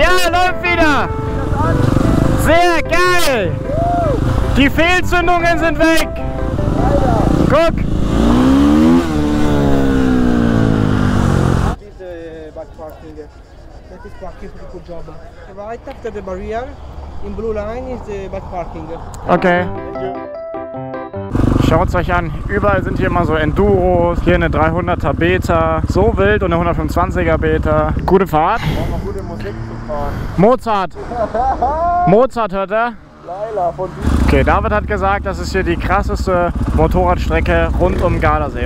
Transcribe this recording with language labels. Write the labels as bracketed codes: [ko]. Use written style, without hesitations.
[de] Ja, läuft wieder. Sehr geil. Die Fehlzündungen sind weg. Alter. Guck. Diese Backparking. Das ist Parking für die Kujaba. [en] Right after the barrier, in blue line, is the Backparking. Okay. [de] Schaut es euch an, überall sind hier immer so Enduros, hier eine 300er Beta, so wild und eine 125er Beta. Gute Fahrt. Gute Musik zu fahren. Mozart. Mozart hört er. Leila von okay, David hat gesagt, das ist hier die krasseste Motorradstrecke rund um Gardasee.